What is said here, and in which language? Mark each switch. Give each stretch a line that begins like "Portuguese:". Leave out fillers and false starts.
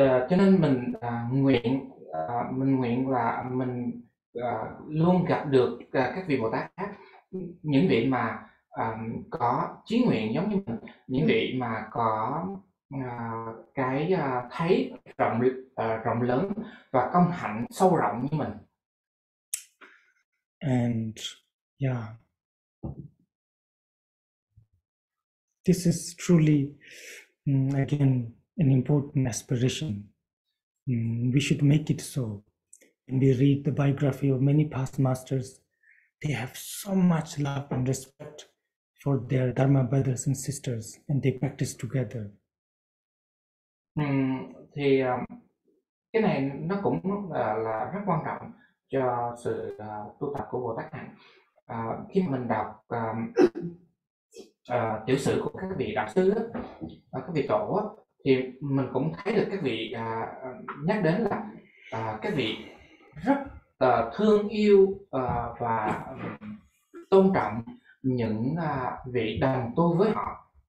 Vietnamese: Cho nên mình nguyện, mình nguyện là mình luôn gặp được các vị Bồ Tát khác, những vị mà có chí nguyện giống như mình, những vị mà có cái thấy rộng lớn và công hạnh sâu rộng như mình.
English: And yeah, this is truly, again, an important aspiration. We should make it so. When we read the biography of many past masters, they have so much love and respect for their Dharma brothers and sisters, and they practice together.
Vietnamese: Thì cái này nó cũng là rất quan trọng cho sự tu tập của Bồ Tát này. Khi mình đọc tiểu sử của các vị đạo sư, các vị tổ, thì mình cũng thấy được các vị nhắc đến là các vị rất thương yêu và tôn trọng những vị đồng tu với họ.